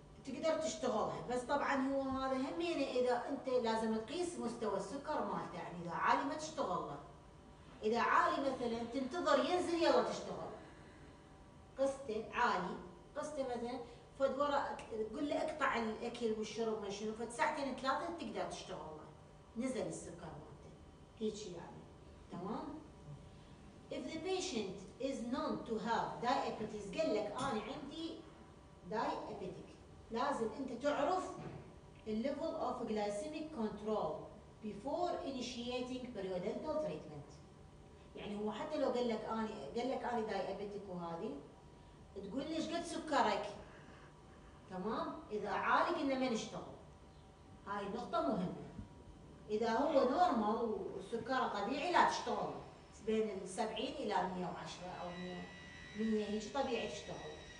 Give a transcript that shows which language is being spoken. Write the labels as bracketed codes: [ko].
[ar] تقدر تشتغلها، بس طبعا هو هذا همين اذا انت لازم تقيس مستوى السكر مالته، يعني اذا عالي ما تشتغله، اذا عالي مثلا تنتظر ينزل يلا تشتغل، قسته عالي قسته مثلا فد ورا قول له اقطع الاكل والشرب ما شنو فد ساعتين ثلاثه تقدر تشتغله نزل السكر مالته هيك يعني. تمام. [en] If the patient is known to have diabetes [ar] قال لك أنا عندي [en] diabetic، [ar] لازم أنت تعرف [en] the level of glycemic control before initiating periodontal treatment. [ar] يعني هو حتى لو قال لك أنا diabetic وهذه تقول ليش قد سكرك، تمام؟ إذا عالي قلنا ما نشتغل، هاي نقطة مهمة. إذا هو normal وسكره طبيعي لا تشتغل بين 70 إلى 110 أو 100 هيك طبيعي تشتغل.